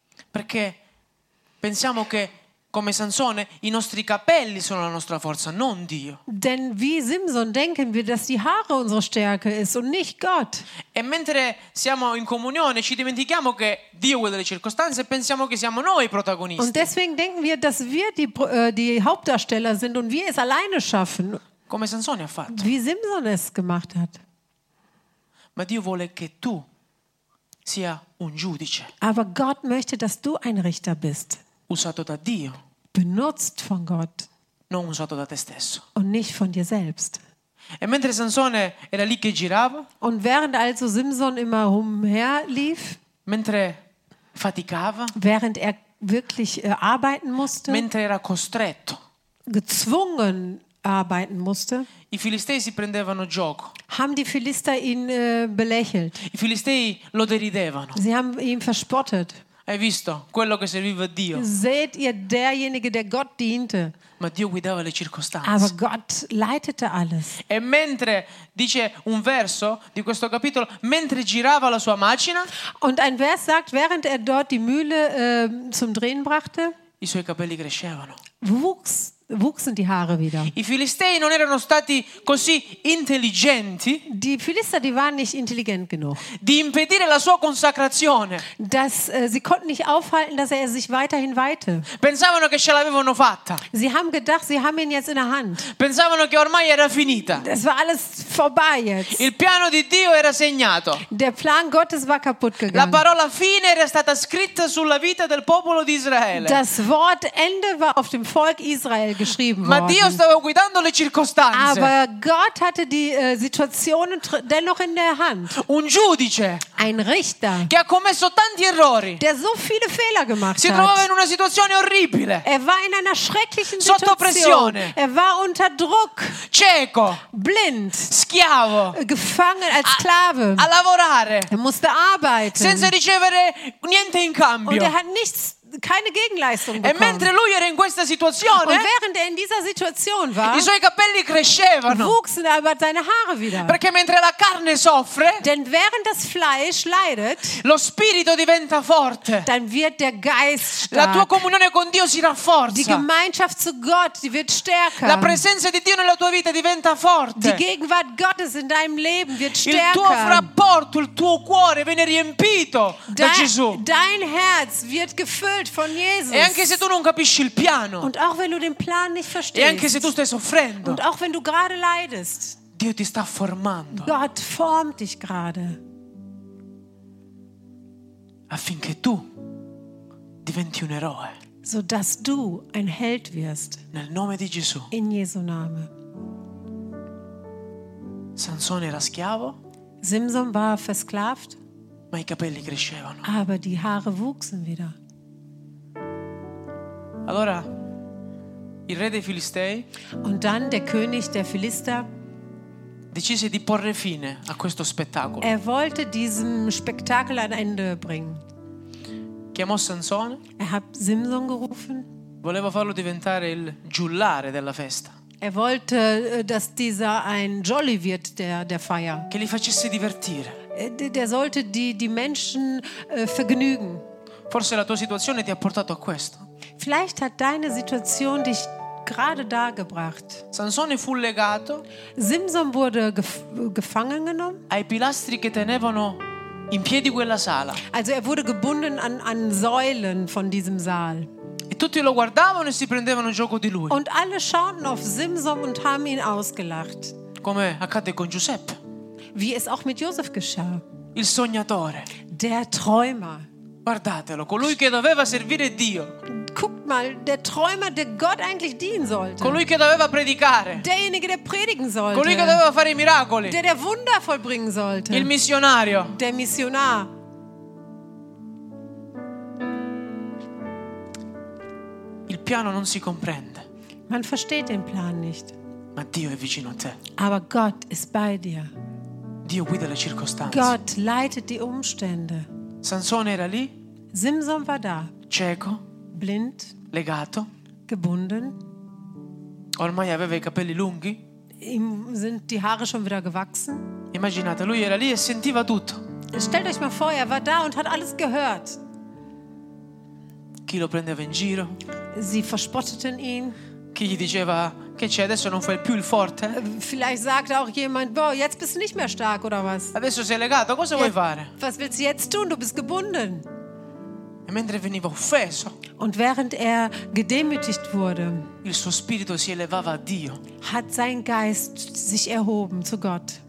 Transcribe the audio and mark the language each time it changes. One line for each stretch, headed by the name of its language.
Italian: Perché pensiamo che, come Sansone, i nostri capelli sono la nostra forza, non Dio.
German: Denn wie Simson denken wir, dass die Haare unsere Stärke ist und nicht Gott.
Italian: E mentre siamo in comunione ci dimentichiamo che Dio guida le circostanze e pensiamo che siamo noi i protagonisti.
German: Und deswegen denken wir, dass wir die Hauptdarsteller sind und wir es alleine schaffen.
Italian: Come Sansone ha fatto.
German: Wie Simson es gemacht hat.
Italian: Ma Dio vuole che tu sia un giudice.
German: Aber Gott möchte, dass du ein Richter bist.
Italian: Usato da Dio,
German: benutzt von Gott,
Italian: non usato da te stesso,
German: und nicht von dir selbst.
Italian: E mentre Sansone era lì che girava,
German: und während also Simson immer umherlief,
Italian: mentre faticava,
German: während er wirklich arbeiten musste,
Italian: mentre era costretto,
German: gezwungen arbeiten musste,
Italian: i Philistei si prendevano gioco,
German: haben die Philister ihn belächelt,
Italian: i Philistei lo deridevano,
German: sie haben ihn verspottet.
Italian: Hai visto quello che serviva a Dio?
German: Seht ihr derjenige, der Gott diente?
Italian: Ma Dio guidava le circostanze.
German: Aber Gott leitete alles.
Italian: E mentre, dice un verso di questo capitolo, mentre girava la sua macina,
German: und ein Vers sagt, während er dort die Mühle zum Drehen brachte,
Italian: i suoi capelli crescevano.
German: Wuchsen die Haare wieder.
Italian: I Filistei non erano stati così intelligenti.
German: Die Philister, die waren nicht intelligent genug.
Italian: Di impedire la sua consacrazione.
German: Dass sie konnten nicht aufhalten, dass er sich weiterhin weihte.
Italian: Pensavano che ce l'avevano fatta.
German: Sie haben gedacht, sie haben ihn jetzt in der Hand.
Italian: Pensavano che ormai era finita.
German: Das war alles vorbei jetzt.
Italian: Il piano di Dio era segnato.
German: Der Plan Gottes war kaputt gegangen.
Italian: La parola fine era stata scritta sulla vita del popolo di Israele.
German: Das Wort Ende war auf dem Volk Israel.
Italian: Ma Dio stava guidando le circostanze.
German: Aber Gott hatte die Situationen dennoch in der Hand.
Italian: Un giudice.
German: Ein Richter.
Italian: Che ha commesso tanti errori.
German: Der so viele Fehler gemacht
Italian: si
German: hat.
Italian: Si trovava in una situazione orribile.
German: Er war in einer schrecklichen
Italian: Situation. Sotto pressione.
German: Er war unter Druck.
Italian: Cieco.
German: Blind.
Italian: Schiavo.
German: Gefangen als Sklave.
Italian: A lavorare.
German: Er musste arbeiten.
Italian: Senza ricevere niente in cambio.
German: Und er hat nichts. Keine Gegenleistung bekommen.
Italian: E mentre lui era in questa situazione,
German: und während er in dieser Situation war,
Italian: i suoi capelli crescevano,
German: wuchsen aber seine Haare wieder.
Italian: Perché mentre la carne soffre,
German: denn während das Fleisch leidet,
Italian: lo spirito diventa forte,
German: dann wird der Geist stark.
Italian: La tua comunione con Dio si rafforza.
German: Die Gemeinschaft zu Gott, die wird stärker.
Italian: La presenza di Dio nella tua vita diventa forte.
German: Die Gegenwart Gottes in deinem Leben wird stärker.
Italian: Il tuo rapporto, il tuo cuore viene riempito da Gesù.
German: Dein Herz wird gefüllt von Jesus.
Italian: E anche se tu non capisci il piano.
German: Und auch wenn du den Plan nicht verstehst.
Italian: E anche se tu stai soffrendo.
German: Und auch wenn du gerade leidest.
Italian: Dio ti sta formando.
German: Gott formt dich gerade.
Italian: Affinché tu diventi un eroe.
German: So dass du ein Held wirst.
Italian: Nel nome di Gesù.
German: In Jesu Name.
Italian: Sansone era schiavo.
German: Simson war versklavt.
Italian: Ma i capelli crescevano.
German: Aber die Haare wuchsen wieder.
Italian: Allora, il re dei Filistei,
German: und dann der König der Philister,
Italian: decise di porre fine a questo spettacolo.
German: Er wollte diesem Spektakel ein Ende bringen.
Italian: Chiamò Sansone.
German: Er hat Simson gerufen.
Italian: Voleva farlo diventare il giullare della festa.
German: Er wollte, dass dieser ein Jolly wird der Feier.
Italian: Che li facesse divertire.
German: Der sollte die Menschen vergnügen.
Italian: Forse la tua situazione ti ha portato a questo.
German: Vielleicht hat deine Situation dich gerade da gebracht.
Italian: Sansone fu legato.
German: Simson wurde gefangen genommen.
Italian: Ai pilastri che tenevano in piedi quella sala.
German: Also er wurde gebunden an Säulen von diesem Saal.
Italian: E tutti lo guardavano e si prendevano gioco di lui.
German: Und alle schauten auf Simson und haben ihn ausgelacht.
Italian: Come accadde con Giuseppe.
German: Wie es auch mit Josef geschah.
Italian: Il sognatore.
German: Der Träumer.
Italian: Guardatelo, colui che doveva servire Dio.
German: Guckt mal, der Träumer, der Gott eigentlich dienen sollte.
Italian: Colui che doveva predicare.
German: Derjenige, der predigen sollte.
Italian: Colui che doveva fare i miracoli.
German: Der Wunder vollbringen sollte.
Italian: Il missionario.
German: Der Missionar.
Italian: Il piano non si comprende.
German: Man versteht den Plan nicht.
Italian: Ma Dio è vicino a te.
German: Aber Gott ist bei dir.
Italian: Dio guida le circostanze.
German: Gott leitet die Umstände.
Italian: Sansone era lì.
German: Simson war da.
Italian: Cieco.
German: Blind.
Italian: Legato.
German: Gebunden.
Italian: Ormai aveva i capelli lunghi.
German: Ihm sind die Haare schon wieder gewachsen.
Italian: Immaginate, lui era lì e sentiva tutto.
German: Stellt euch mal vor, er war da und hat alles gehört.
Italian: Chi lo prendeva in giro?
German: Sie verspotteten ihn.
Italian: Chi gli diceva che c'è adesso non fai più il forte?
German: Vielleicht sagt auch jemand, boh, jetzt bist du nicht mehr stark oder was?
Italian: Adesso sei legato, cosa vuoi fare?
German: Was willst du jetzt tun? Du bist gebunden.
Italian: E mentre veniva offeso.
German: Und während er gedemütigt wurde.
Italian: Il suo spirito si elevava a Dio.
German: Hat sein Geist sich erhoben zu Gott.